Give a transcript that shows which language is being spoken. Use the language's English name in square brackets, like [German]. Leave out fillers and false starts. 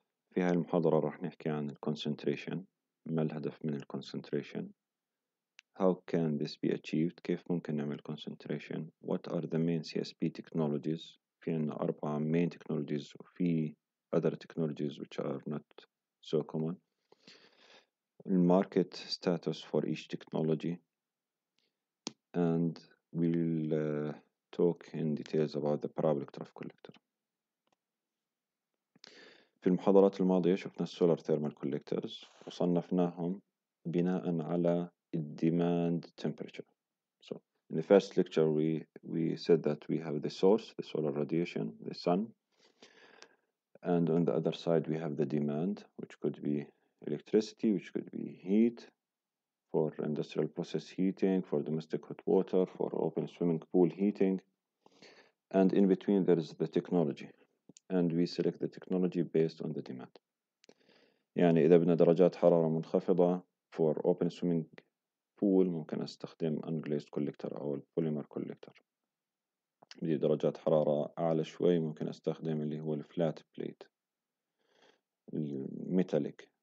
[Arabic] في هاي المحاضرة راح نحكي عن الكونسنتريشن. ما الهدف من الكونسنتريشن؟ [English] How can this be achieved؟ [Arabic] كيف ممكن نعمل كونسنتريشن؟ [English] What are the main CSP technologies؟ [Arabic] في عنا أربعة [English] main technologies [Arabic] وفي [English] other technologies which are not so common. Market status for each technology. And we'll talk in details about the parabolic trough collector. [Arabic] في المحاضرات الماضية شفنا [English] solar thermal collectors [Arabic] وصنفناهم بناء على [English] demand temperature. So in the first lecture we said that we have the source, the solar radiation, the sun, and on the other side we have the demand, which could be electricity, which could be heat. For industrial process heating, for domestic hot water, for open swimming pool heating, and in between there is the technology, and we select the technology based on the demand. [Arabic] يعني إذا بدنا درجات حرارة منخفضة [English] for open swimming pool [Arabic] ممكن أستخدم [English] unglazed collector [Arabic] أو [English] polymer collector. [Arabic] بدي درجات حرارة أعلى شوي ممكن أستخدم اللي هو [English] flat plate, metallic.